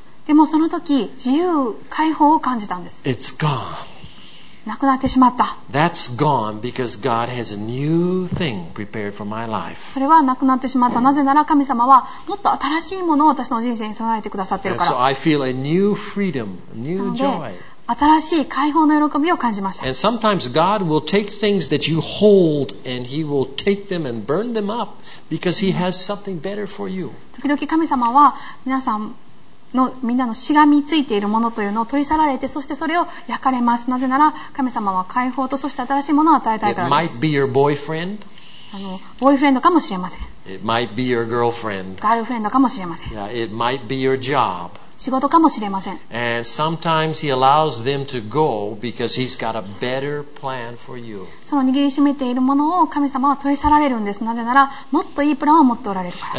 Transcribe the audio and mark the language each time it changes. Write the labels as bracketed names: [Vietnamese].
[Japanese] でもその時自由解放を感じたんです。 [English] It's gone. [Japanese] なくなってしまった。 [English] That's gone because God has a new thing prepared for my life. [Japanese] それはなくなってしまった。なぜなら神様はもっと新しいものを私の人生に備えてくださっているから。 [English] And so I feel a new freedom, new joy. [Japanese] 新しい解放の喜びを感じました。 [English] And sometimes God will take things that you hold and He will take them and burn them up. Because he has something better for you. [Japanese] 時々神様は皆さんのみんなのしがみついているものというのを取り去られて、そしてそれを焼かれます。なぜなら神様は解放と、そして新しいものを与えたいからです。 [English] It might be your boyfriend. [Japanese] ボーイフレンドかもしれません。 [English] It might be your girlfriend. [Japanese] ガールフレンドかもしれません。 [English] Yeah, it might be your job. [Japanese] 仕事かもしれません。 [English] And sometimes he allows them to go because he's got a better plan for you. [Japanese] その握りしめているものを神様は取り去られるんです。なぜならもっといいプランを持っておられるから。